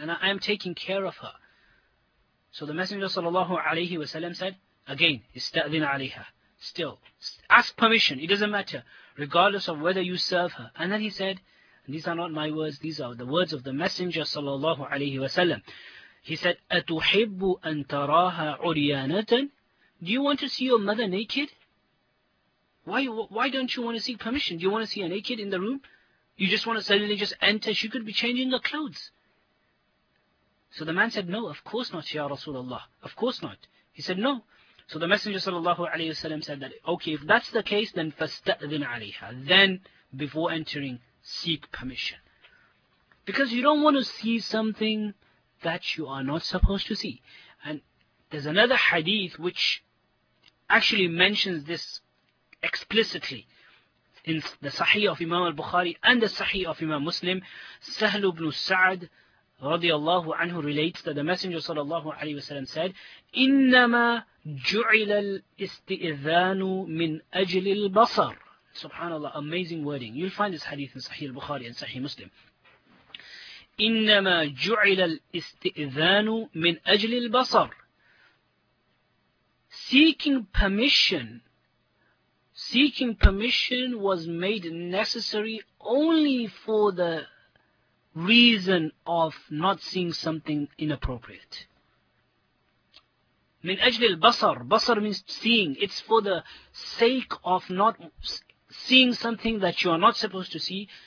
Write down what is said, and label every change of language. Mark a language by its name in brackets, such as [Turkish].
[English] And I am taking care of her. So the Messenger sallallahu alayhi wa sallam said, again, [Arabic] استأذن عليها. [English] Still, ask permission, it doesn't matter, regardless of whether you serve her. And then he said, and these are not my words, these are the words of the Messenger sallallahu alayhi wa sallam. He said, [Arabic] أَتُحِبُّ أَن تَرَاهَا عُرْيَانَةً? [English] Do you want to see your mother naked? Why don't you want to seek permission? Do you want to see her naked in the room? You just want to suddenly just enter, she could be changing her clothes. So the man said, no, of course not, Ya Rasulullah, of course not. He said, no. So the Messenger sallallahu alayhi wa sallam said that, okay, if that's the case, then [Arabic] فَاسْتَأْذِنْ عَلَيْهَا. [English] Then, before entering, seek permission. Because you don't want to see something that you are not supposed to see. And there's another hadith which actually mentions this explicitly in the Sahih of Imam al-Bukhari and the Sahih of Imam Muslim. Sahl ibn Sa'd radiallahu anhu relates that the Messenger sallallahu alayhi wa sallam said, [Arabic] إِنَّمَا جُعِلَ الْإِسْتِئِذَانُ مِنْ أَجْلِ الْبَصَرِ. [English] SubhanAllah, amazing wording. You'll find this hadith in Sahih al-Bukhari and Sahih Muslim. [Arabic] إِنَّمَا جُعِلَ الْإِسْتِئِذَانُ مِنْ أَجْلِ الْبَصَرِ. [English] Seeking permission seeking permission was made necessary only for the reason of not seeing something inappropriate. [Arabic] من أجل البصر. [English] بصر means seeing. It's for the sake of not seeing something that you are not supposed to see.